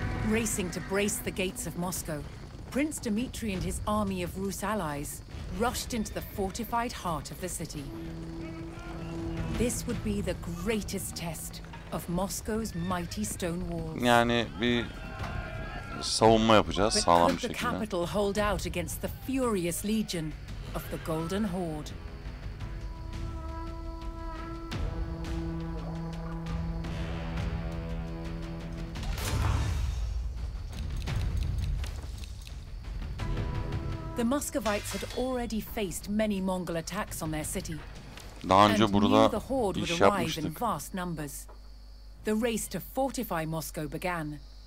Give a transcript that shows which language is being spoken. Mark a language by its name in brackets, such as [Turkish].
[English] Racing to brace the gates of Moscow, Prince Dmitri and his army of Rus allies rushed into the fortified heart of the city. This would be the greatest test of Moscow's mighty stone walls. [Turkish] Yani bir savunma yapacağız sağlam bir şekilde. [English] But could the capital hold out against the furious legion of the Golden Horde? The Muscovites had already faced many Mongol attacks on their city. [Turkish] Daha önce burada iş yapmıştık. [English] Arrive in vast numbers. The race to fortify Moscow began.